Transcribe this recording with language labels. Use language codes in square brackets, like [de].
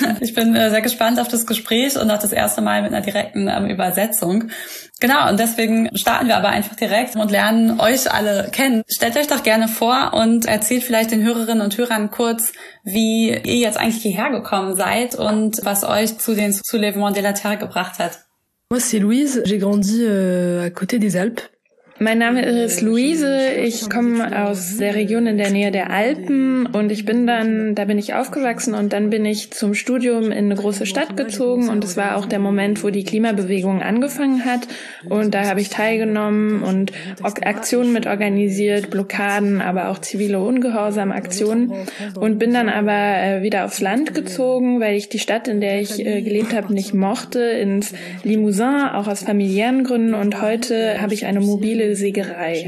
[de] Ich bin sehr gespannt auf das Gespräch und auch das erste Mal mit einer direkten Übersetzung. Genau, und deswegen starten wir aber einfach direkt und lernen euch alle kennen. Stellt euch doch gerne vor und erzählt vielleicht den Hörerinnen und Hörern kurz, wie ihr jetzt eigentlich hierher gekommen seid und was euch zu den Soulèvement de la Terre gebracht hat. [fr] Moi, c'est Louise. J'ai grandi à côté des Alpes. [de] Mein Name ist Louise, ich komme aus der Region in der Nähe der Alpen und ich bin dann, da bin ich aufgewachsen und dann bin ich zum Studium in eine große Stadt gezogen und es war auch der Moment, wo die Klimabewegung angefangen hat und da habe ich teilgenommen und Aktionen mit organisiert, Blockaden, aber auch zivile Ungehorsam-Aktionen und bin dann aber wieder aufs Land gezogen, weil ich die Stadt, in der ich gelebt habe, nicht mochte, ins Limousin, auch aus familiären Gründen und heute habe ich eine mobile Sägerei.